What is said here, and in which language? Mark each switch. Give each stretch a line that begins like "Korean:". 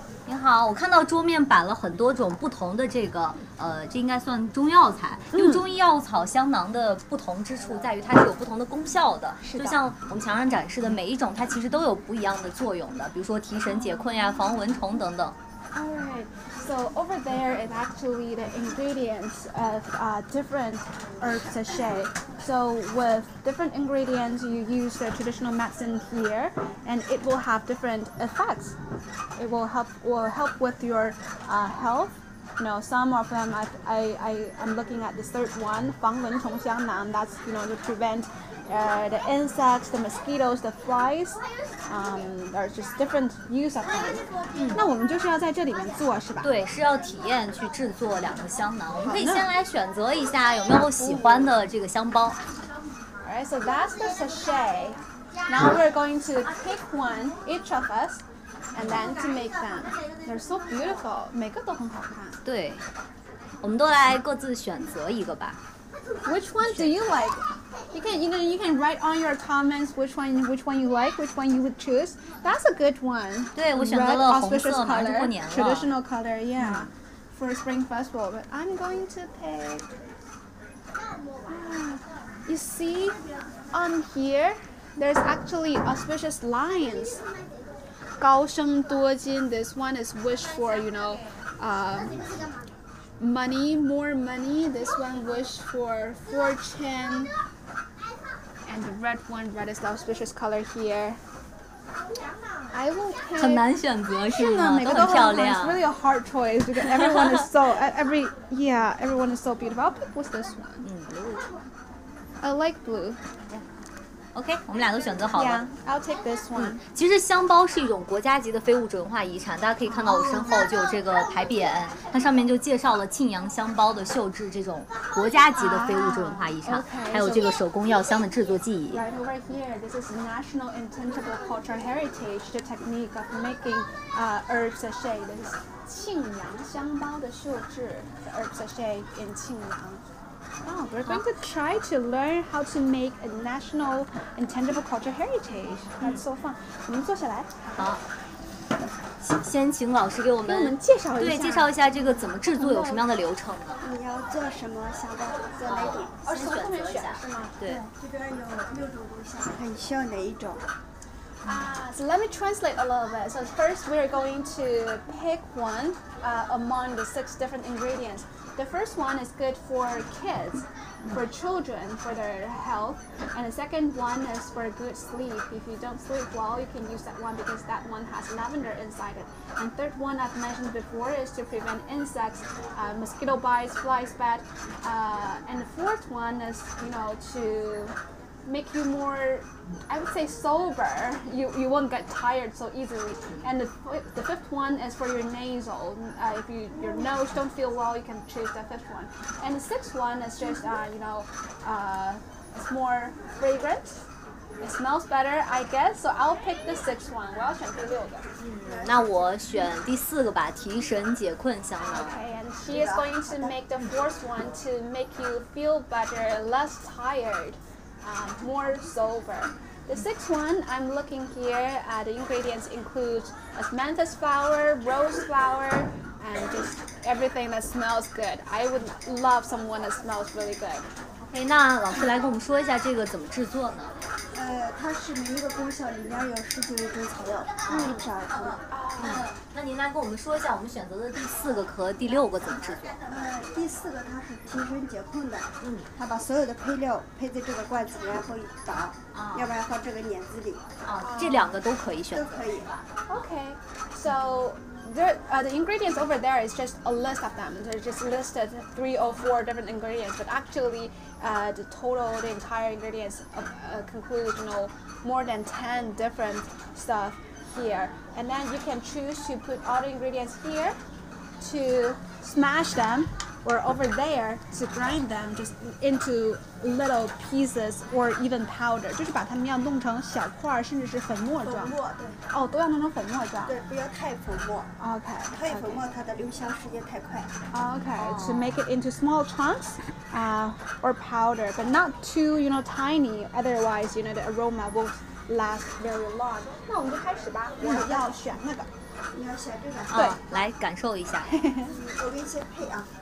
Chinese: 您好，我看到桌面摆了很多种不同的这个，这应该算中药材。因为中医药草香囊的不同之处在于它是有不同的功效的，是的，就像我们墙上展示的每一种，它其实都有不一样的作用的，比如说提神解困呀、防蚊虫等等。
English: Alright, so over there is actually the ingredients of different herb sachet. So with different ingredients, you use the traditional medicine here, and it will have different effects. It will help with your health. You know, some of them, I'm looking at the third one,
Chinese: 防蚊虫香囊,
English: that's, you know, to prevent the insects, the mosquitoes, the flies. There are just different use of them.
Chinese: 那我们就是要在这里面做是吧？对，是要体验去制作两个香囊。我们可以先来选择一下有没有喜欢的这个香包。
English: Alright, so that's the sachet. Now we're going to pick one, each of us, and then to make them. They're so beautiful.
Chinese: 每个都很好看。对，我们都来各自选择一个吧。
English: Which one do you like? You can write on your comments which one you like, which one you would choose. That's a good one.
Chinese: 对，我选择了红色嘛，过年了。
English: Traditional color, yeah, for Spring Festival. But I'm going to pick. You see, on here, there's actually auspicious lines.
Chinese: 高升多金
English: This one is wish for, you know. Money, more money. This one wish for fortune. And the red one, red is the auspicious color here. I will pick.
Chinese: 很难选择是吗？每个都很漂亮。
English: It's really a hard choice because everyone is so everyone is so beautiful. I'll pick with this one. I like blue. Yeah.
Chinese: OK, 我们俩都选择好了。
English: Yeah, I'll take this one.
Chinese: 其实香包是一种国家级的非物质文化遗产，大家可以看到我身后就有这个牌匾，它上面就介绍了庆阳香包的绣制，这种国家级的非物质文化遗产，还有这个手工药香的制作技艺。
English: Right over here, this is National Intangible Cultural Heritage, the technique of making herb sachet. This is
Chinese: 庆阳香包的绣制
English: the herb sachet in 庆阳。 Oh, we're going to try to learn how to make a national intangible cultural heritage. That's so fun.
Chinese: 我们坐下来。好。先请老师给我们介绍一下，对，介绍一下这个怎么制作，有什么样的流程呢？你要做什么香的做哪种？哦，从后面选是吗？对，这边有六种都香，看你需要哪一种。
English: So let me translate a little bit. So first, we are going to pick one among the six different ingredients. The first one is good for kids, for children, for their health. And the second one is for good sleep. If you don't sleep well, you can use that one because that one has lavender inside it. And third one I've mentioned before is to prevent insects, mosquito bites, flies, bat. And the fourth one is, you know, to... make you more, I would say, sober. You won't get tired so easily. And the fifth one is for your nasal. If your nose don't feel well, you can choose the fifth one. And the sixth one is just, it's more fragrant. It smells better, I guess. So I'll pick the sixth one.
Chinese: 我要选第六个。那我选第四个吧，提神解困香囊。
English: Okay, and she is going to make the fourth one to make you feel better, less tired. More sober. The sixth one I'm looking here, the ingredients include asmanthus flower, rose flower, and just everything that smells good. I would love someone that smells really good.
Chinese: Hey, 那老师来跟我们说一下这个怎么制作呢？它是每一个功效里面有十几味中草药，不少的草药。那您来跟我们说一下，我们选择的第四个和第六个怎么制作？第四个它是提神解困的，它把所有的配料配在这个罐子里，然后一倒，要不然放这个碾子里。这两个都可以选择。都可以。
English: Okay, so. The ingredients over there is just a list of them. They're just listed 3 or 4 different ingredients, but actually, the entire ingredients include, you know, more than 10 different stuff here. And then you can choose to put all the ingredients here to smash them, or over there to grind them just into little pieces or even powder.
Chinese: 就是把它们要弄成小块甚至是粉末状。粉末，对。哦，都要弄成粉末状。对，不要太粉末。 OK。太粉末，它的流香时间太快。 OK。
English: To make it into small chunks, or powder, but not too, you know, tiny. Otherwise, you know, the aroma won't last very long.
Chinese: 那我们就开始吧。我要选那个。你要选这个，对，来感受一下。我给你先配啊。